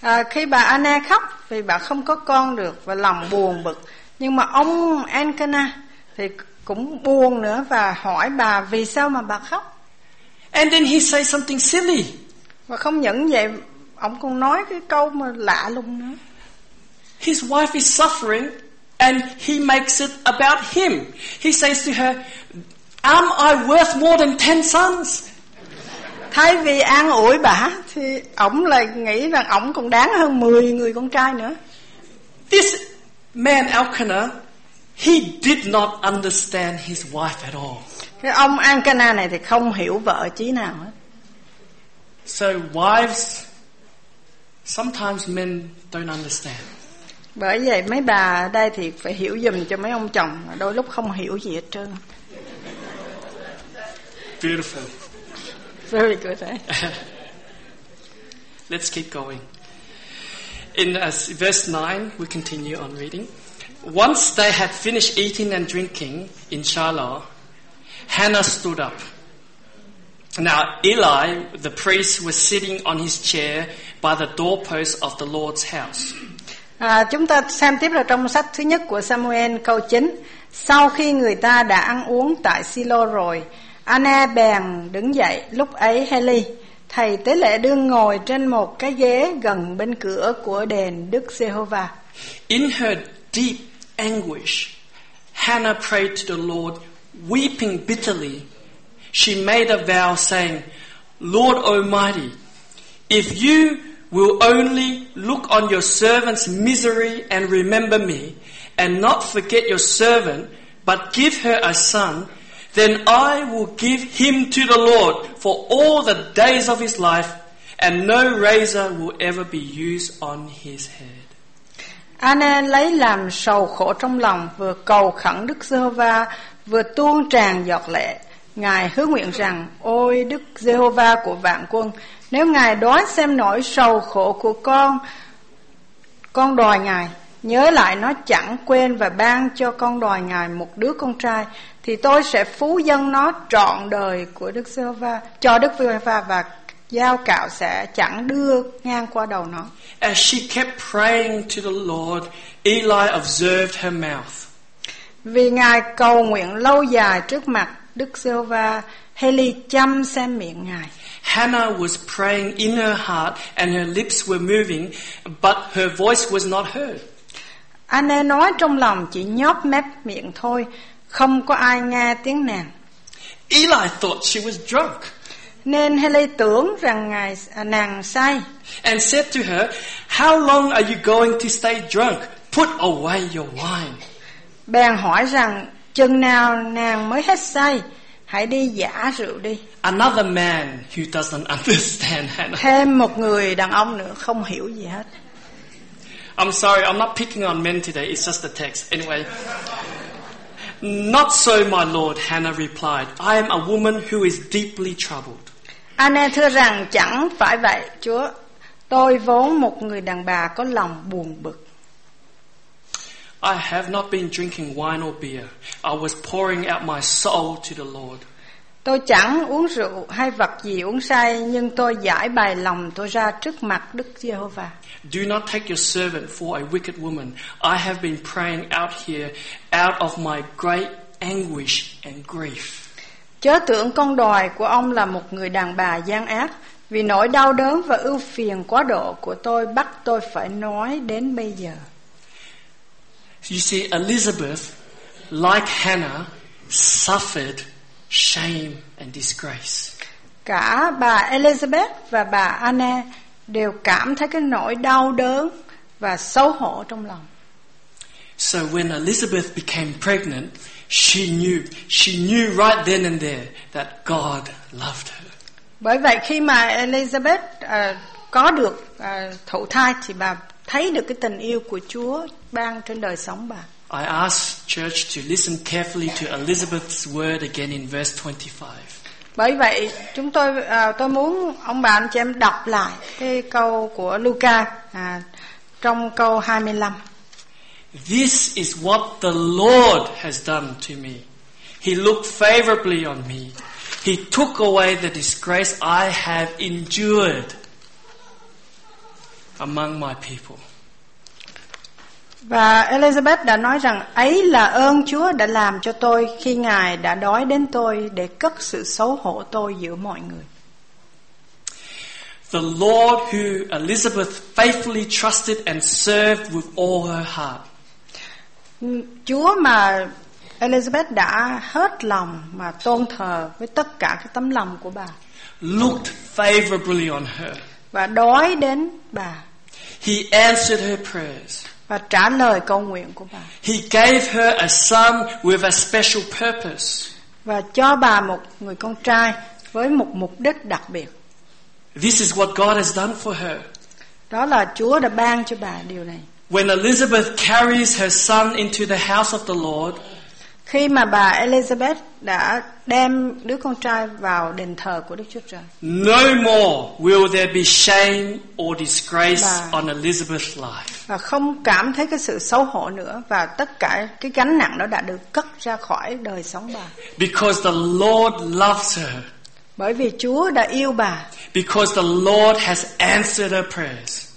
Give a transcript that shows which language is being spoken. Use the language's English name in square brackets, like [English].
[Vietnamese] Khi bà Anna khóc vì bà không có con được và lòng buồn bực, nhưng mà ông Elkanah thì cũng buồn nữa và hỏi bà vì sao mà bà khóc. [English] And then he says something silly. [Vietnamese] Và không những vậy, ông còn nói cái câu mà lạ lùng nữa. [English] His wife is suffering and he makes it about him. He says to her, am I worth more than 10 sons? [Vietnamese] Thay vì an ủi bà thì ổng lại nghĩ rằng ổng còn đáng hơn 10 người con trai nữa. [English] This man Elkanah, he did not understand his wife at all. [Vietnamese] Cái ông Elkanah này thì không hiểu vợ chí nào hết. [English] So wives, sometimes men don't understand. [Vietnamese] Bởi vậy mấy bà ở đây thì phải hiểu giùm cho mấy ông chồng, đôi lúc không hiểu gì hết trơn. [English] Beautiful. Very good, eh? Let's keep going. In verse 9, we continue on reading. Once they had finished eating and drinking in Shiloh, Hannah stood up. Now Eli, the priest, was sitting on his chair by the doorpost of the Lord's house. [Vietnamese] Chúng ta xem tiếp là trong sách thứ nhất của Samuel câu 9. Sau khi người ta đã ăn uống tại Silo rồi, Anna bèn đứng dậy. Lúc ấy Heli, thầy tế lễ, đương ngồi trên một cái ghế gần bên cửa của đền Đức Giê-hô-va. [English] In her deep anguish, Hannah prayed to the Lord, weeping bitterly. She made a vow saying, Lord Almighty, if you will only look on your servant's misery and remember me, and not forget your servant, but give her a son, then I will give him to the Lord for all the days of his life, and no razor will ever be used on his head. [Vietnamese] Anna lấy làm sầu khổ trong lòng, vừa cầu khẩn Đức Giê-hô-va, vừa tuôn tràn giọt lệ. Ngài hứa nguyện rằng, ôi Đức Giê-hô-va của vạn quân, nếu Ngài đoán xem nỗi sầu khổ của con đòi Ngài, nhớ lại nó chẳng quên và ban cho con đòi Ngài một đứa con trai, thì tôi sẽ phú dâng nó trọn đời của Đức Giê-hô-va cho Đức Giê-hô-va, và dao cạo sẽ chẳng đưa ngang qua đầu nó. [English] As she kept praying to the Lord, Eli observed her mouth. [Vietnamese] Vì Ngài cầu nguyện lâu dài trước mặt Đức Giê-hô-va, Heli chăm xem miệng Ngài. [English] Hannah was praying in her heart and her lips were moving, but her voice was not heard. [Vietnamese] Anna nói trong lòng chỉ nhóp mép miệng thôi, không có ai nghe tiếng nàng. [English] Eli thought she was drunk. [Vietnamese] Nên Heli tưởng rằng nàng say. [English] And said to her, how long are you going to stay drunk? Put away your wine. [Vietnamese] Bèn hỏi rằng, chừng nào nàng mới hết say? Hãy đi giả rượu đi. [English] Another man who doesn't understand Hannah. [Vietnamese] Thêm một người đàn ông nữa không hiểu gì hết. [English] I'm sorry, I'm not picking on men today. It's just the text. Anyway. Not so, my lord, Hannah replied. I am a woman who is deeply troubled. [Vietnamese] Anna thưa rằng, chẳng phải vậy, Chúa. Tôi vốn một người đàn bà có lòng buồn bực. [English] I have not been drinking wine or beer. I was pouring out my soul to the Lord. [Vietnamese] Tôi chẳng uống rượu hay vật gì uống say, nhưng tôi giải bày lòng tôi ra trước mặt Đức Giê-hô-va. [English] Do not take your servant for a wicked woman. I have been praying out here out of my great anguish and grief. [Vietnamese] Chớ tưởng con đòi của ông là một người đàn bà gian ác, vì nỗi đau đớn và ưu phiền quá độ của tôi bắt tôi phải nói đến bây giờ. [English] You see, Elizabeth, like Hannah, suffered shame and disgrace. [Vietnamese] Cả bà Elizabeth và bà Anna đều cảm thấy cái nỗi đau đớn và xấu hổ trong lòng. [English] So when Elizabeth became pregnant, she knew right then and there that God loved her. [Vietnamese] Bởi vậy khi mà Elizabeth có được thụ thai thì bà thấy được cái tình yêu của Chúa ban trên đời sống bà. [English] I ask church to listen carefully to Elizabeth's word again in verse 25. [Vietnamese] Bởi vậy chúng tôi tôi muốn ông bà anh chị em đọc lại cái câu của Luca trong câu 25. [English] This is what the Lord has done to me. He looked favorably on me. He took away the disgrace I have endured among my people. [Vietnamese] Và Elizabeth đã nói rằng, ấy là ơn Chúa đã làm cho tôi khi Ngài đã đói đến tôi để cất sự xấu hổ tôi giữa mọi người. [English] The Lord who Elizabeth faithfully trusted and served with all her heart. [Vietnamese] Chúa mà Elizabeth đã hết lòng mà tôn thờ với tất cả cái tấm lòng của bà. [English] Looked favorably on her. [Vietnamese] Và đói đến bà. [English] He answered her prayers. [Vietnamese] Và trả lời cầu nguyện của bà. [English] He gave her a son with a special purpose. [Vietnamese] Và cho bà một người con trai với một mục đích đặc biệt. [English] This is what God has done for her. [Vietnamese] Đó là Chúa đã ban cho bà điều này. [English] When Elizabeth carries her son into the house of the Lord, [Vietnamese] khi mà bà Elizabeth đã đem đứa con trai vào đền thờ của Đức Chúa Trời, [English] no more will there be shame or disgrace on Elizabeth's life. [Vietnamese] Và không cảm thấy cái sự xấu hổ nữa, và tất cả cái gánh nặng đó đã được cất ra khỏi đời sống bà. [English] Because the Lord loves her. [Vietnamese] Bởi vì Chúa đã yêu bà. [English] Because the Lord has answered her prayers.